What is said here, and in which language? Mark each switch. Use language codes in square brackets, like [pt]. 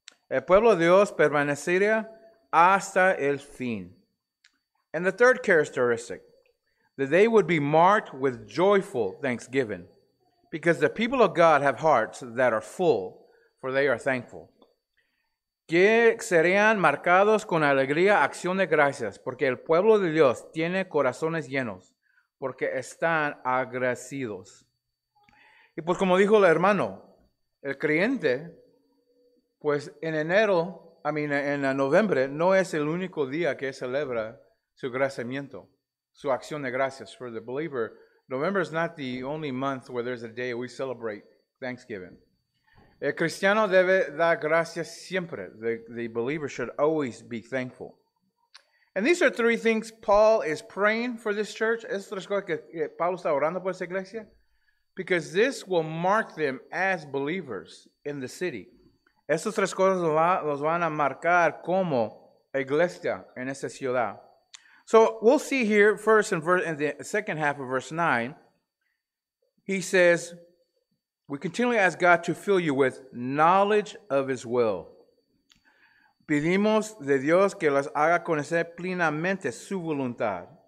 [es] El pueblo de Dios permanecerá hasta el fin. [en] And the third characteristic, that they would be marked with joyful thanksgiving, because the people of God have hearts that are full, for they are thankful. [es] Que serían marcados con alegría, acción de gracias, porque el pueblo de Dios tiene corazones llenos, porque están agradecidos. Y pues como dijo el hermano, el creyente, pues en enero, en noviembre, no es el único día que celebra su agradecimiento, su acción de gracias. [en] For the believer, November is not the only month where there's a day we celebrate Thanksgiving. [es] El cristiano debe dar gracias siempre. [en] The believer should always be thankful. And these are three things Paul is praying for this church. [es] Es tres cosas que Pablo está orando por esta iglesia. [en] Because this will mark them as believers in the city. [es] Estas tres cosas los van a marcar como iglesia en esa ciudad. [en] So we'll see here first in the second half of verse 9. He says, we continually ask God to fill you with knowledge of his will. [es] Pedimos de Dios que los haga conocer plenamente su voluntad.